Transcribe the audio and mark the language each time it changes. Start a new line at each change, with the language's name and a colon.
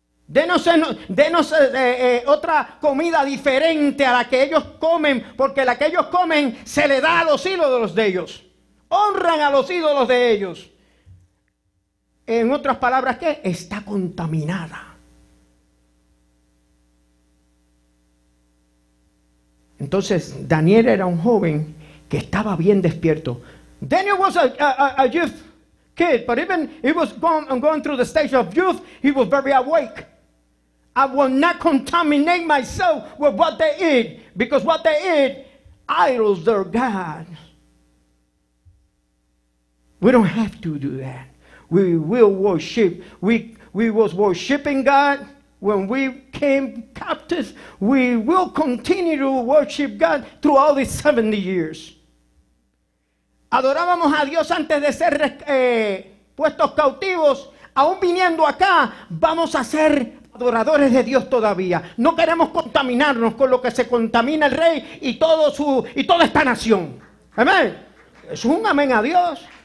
Spanish: Denos otra comida diferente a la que ellos comen, porque la que ellos comen se le da a los ídolos de ellos. Honran a los ídolos de ellos. En otras palabras, ¿qué? Está contaminada. Entonces, Daniel era un joven que estaba bien despierto.
English: Daniel was a youth kid, but even he was going through the stage of youth, he was very awake. I will not contaminate myself with what they eat, because what they eat idols their God. We don't have to do that. We will worship. We was worshiping God When we came captive, we will continue to worship God through all these 70 years.
Spanish: Adorábamos a Dios antes de ser puestos cautivos. Aún viniendo acá, vamos a ser adoradores de Dios todavía. No queremos contaminarnos con lo que se contamina el rey y todo su y toda esta nación. Amén. Es un amén a Dios.